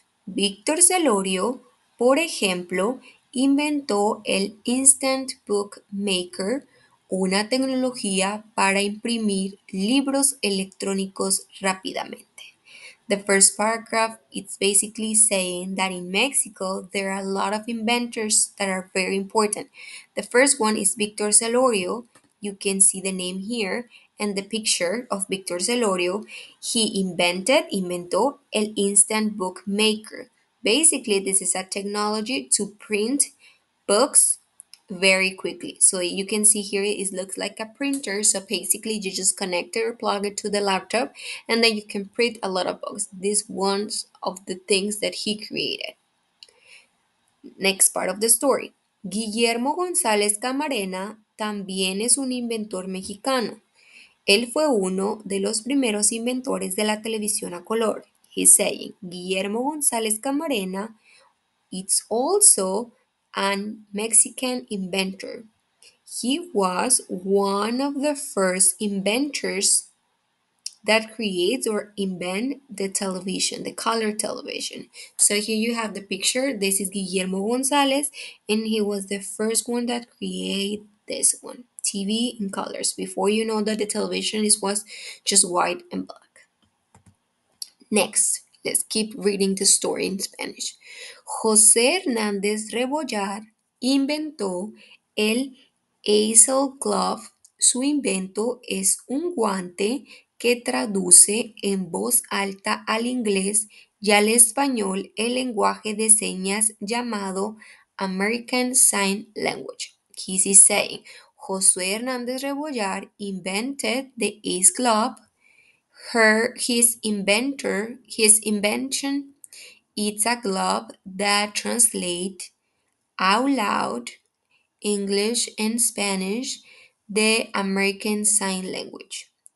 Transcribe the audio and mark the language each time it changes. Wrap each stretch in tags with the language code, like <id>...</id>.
<es>Víctor Celorio, por ejemplo, inventó el Instant Book Maker, una tecnología para imprimir libros electrónicos rápidamente.</es> <en>The first paragraph is basically saying that in Mexico there are a lot of inventors that are very important. The first one is Víctor Celorio. You can see the name here and the picture of Victor Celorio.</en> <es>He inventó el Instant Book Maker.</es> <en>Basically, this is a technology to print books very quickly. So you can see here, it looks like a printer. So basically, you just connect it or plug it to the laptop, and then you can print a lot of books. This one's of the things that he created. Next part of the story.</en> <es>Guillermo González Camarena también es un inventor mexicano. Él fue uno de los primeros inventores de la televisión a color.</es> <en>He's saying, Guillermo González Camarena, it's also a Mexican inventor. He was one of the first inventors that creates or invent the television, the color television. So here you have the picture. This is Guillermo González, and he was the first one that created this one, TV in colors, before you know that the television was just white and black. Next, let's keep reading the story in Spanish.</en> <es>José Hernández Rebollar inventó el Easel Glove Su invento es un guante que traduce en voz alta al inglés y al español el lenguaje de señas llamado American Sign Language.</es> <en>He's saying, Josué Hernández Rebollar invented the East Glob. His invention, it's a glob that translates out loud English and Spanish, the American Sign Language.</en>